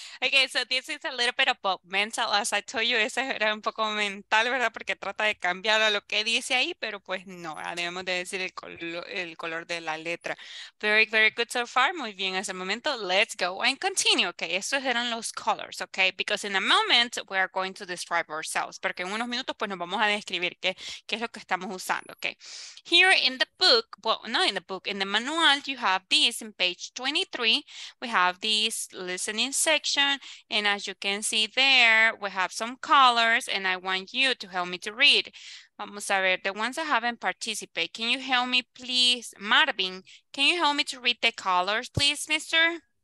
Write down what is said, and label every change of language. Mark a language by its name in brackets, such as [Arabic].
[English] Okay, so this is a little bit about mental. As I told you, [Spanish] ese era un poco mental, ¿verdad? Porque trata de cambiar a lo que dice ahí, pero pues no, debemos de decir el color de la letra. [English] Very, very good so far. [Spanish] Muy bien, hasta el momento. [English] Let's go and continue. [Spanish] Okay, estos eran los colors, okay? [English] Because in a moment, we are going to describe ourselves. [Spanish] Porque en unos minutos, pues nos vamos a describir qué es lo que estamos usando, okay? [English] Here in the book, well, not in the book, in the manual, you have this in page 23, we have this listening section, and as you can see there, we have some colors, and I want you to help me to read. [Spanish] Vamos a ver, [English] the ones that haven't participated, can you help me please, Marvin, can you help me to read the colors, please, mister?